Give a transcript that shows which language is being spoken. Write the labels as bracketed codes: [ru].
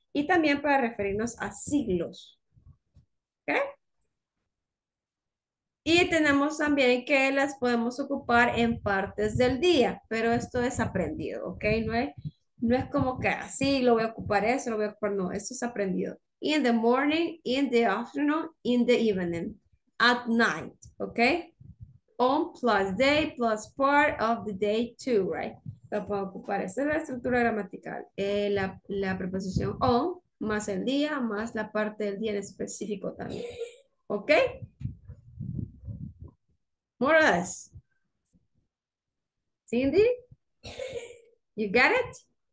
[es] Y también para referirnos a siglos. ¿Ok? Y tenemos también que las podemos ocupar en partes del día, pero esto es aprendido, ¿ok? No es como que así lo voy a ocupar eso, lo voy a ocupar, no, esto es aprendido. [en] In the morning, in the afternoon, in the evening, at night, ¿ok? On plus day plus part of the day too, right? [es] Lo puedo ocupar, esa es la estructura gramatical. La preposición on más el día más la parte del día en específico también, ¿ok? [en] More or less. Cindy, you got it?